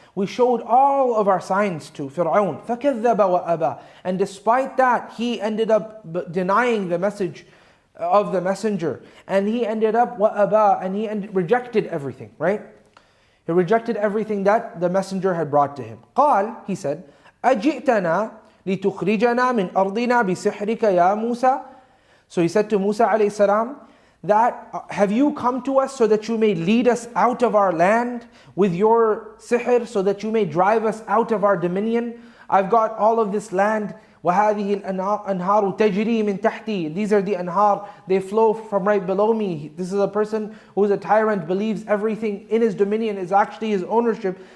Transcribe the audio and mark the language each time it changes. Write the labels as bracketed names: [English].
[English] We showed all of our signs to Fir'aun. [Arabic] فَكَذَّبَ وَأَبَى. [English] And despite that, he ended up denying the message of the messenger. And he ended up وَأَبَى. And he rejected everything, right? He rejected everything that the messenger had brought to him. [Arabic] قال, [English] he said, [Arabic] أَجِئْتَنَا لِتُخْرِجَنَا مِنْ أَرْضِنَا بِسِحْرِكَ يَا مُوسَى. [English] So he said to Musa alayhi salam, that have you come to us so that you may lead us out of our land with your sihr, so that you may drive us out of our dominion? I've got all of this land. [Arabic] وَهَذِهِ الْأَنْهَارُ تَجْرِي مِنْ تَحْتِي. [English] These are the anhar, they flow from right below me. This is a person who is a tyrant, believes everything in his dominion is actually his ownership.